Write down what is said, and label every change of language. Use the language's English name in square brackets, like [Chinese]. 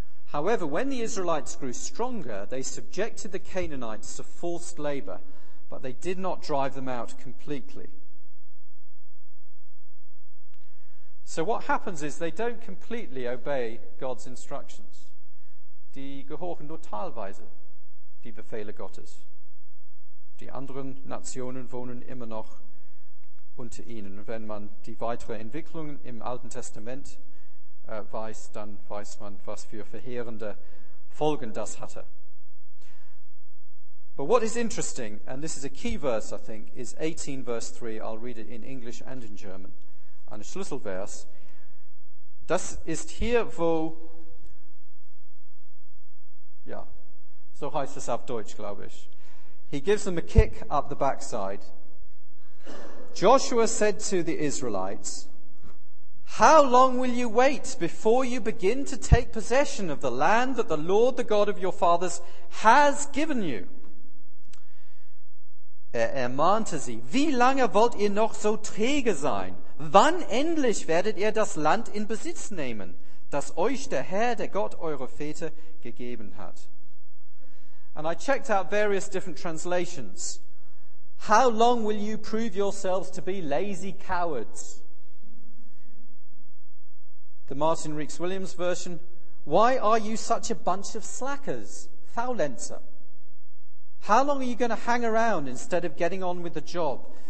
[English] However, when the Israelites grew stronger, they subjected the Canaanites to forced labor, but they did not drive them out completely. So what happens is they don't completely obey God's instructions. [German] Die gehorchen nur teilweise die Befehle Gottes. Die anderen Nationen wohnen immer noch unter ihnen. Wenn man die weitere Entwicklung im Alten Testament weiß, dann weiß man, was für verheerende Folgen das hatte. [English] But what is interesting, and this is a key verse, I think, is 18 verse 3. I'll read it in English and in German. [German] Ein Schlüsselvers. Das ist hier, wo... Ja, so heißt es auf Deutsch, glaube ich. [English] He gives them a kick up the backside. Joshua said to the Israelites, "How long will you wait before you begin to take possession of the land that the Lord, the God of your fathers, has given you?" [German] Er mahnte sie, "Wie lange wollt ihr noch so träge sein? Wann endlich werdet ihr das Land in Besitz nehmen, das euch der Herr, der Gott eurer Väter, gegeben hat?" [English] And I checked out various different translations. "How long will you prove yourselves to be lazy cowards?" The Martin Rees Williams version, "Why are you such a bunch of slackers, faulenzer? How long are you going to hang around instead of getting on with the job?"